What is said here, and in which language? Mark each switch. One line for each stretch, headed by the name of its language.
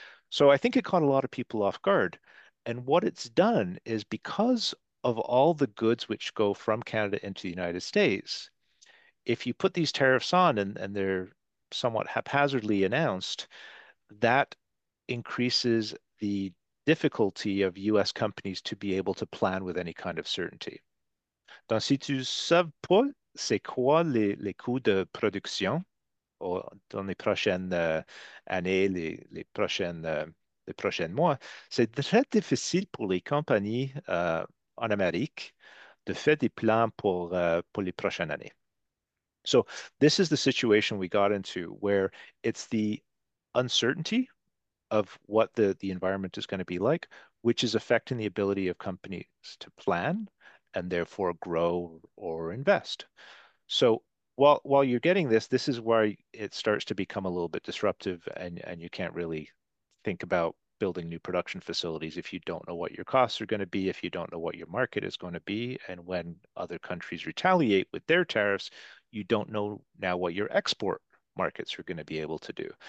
English: So I think it caught a lot of people off guard. And what it's done is because of all the goods which go from Canada into the United States, if you put these tariffs on and they're somewhat haphazardly announced, that increases the difficulty of US companies to be able to plan with any kind of certainty.
French: Donc, si tu savais pas c'est quoi les coûts de production dans les prochaines années, les prochains mois, c'est très difficile pour les compagnies en Amérique de faire des plans pour les prochaines années.
English: So this is the situation we got into, where it's the uncertainty of what the environment is going to be like, which is affecting the ability of companies to plan and therefore grow or invest. So while you're getting this is where it starts to become a little bit disruptive, and you can't really think about building new production facilities if you don't know what your costs are going to be, if you don't know what your market is going to be, and when other countries retaliate with their tariffs, you don't know now what your export markets are going to be able to do.